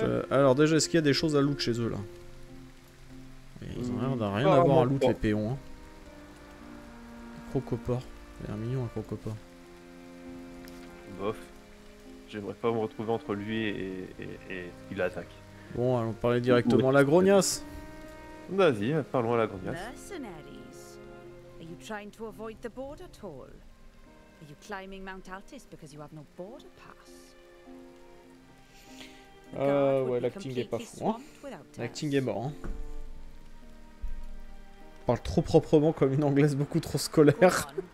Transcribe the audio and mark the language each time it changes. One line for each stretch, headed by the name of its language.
French: Alors déjà, est-ce qu'il y a des choses à loot chez eux, là? Ils ont rien à voir à loot, les péons. Hein. Crocoport. Il y a un million, un crocoport. Bof. J'aimerais pas me retrouver entre lui et il attaque. Bon, allons parler directement à la grognasse. Vas-y, parlons à la grognasse.
English: Mercenaries, are you trying to avoid the border toll? Are you climbing Mount Altis because you have no border pass?
French: Ouais, l'acting est pas fou, hein. L'acting est mort, hein. Parle trop proprement comme une anglaise beaucoup trop scolaire.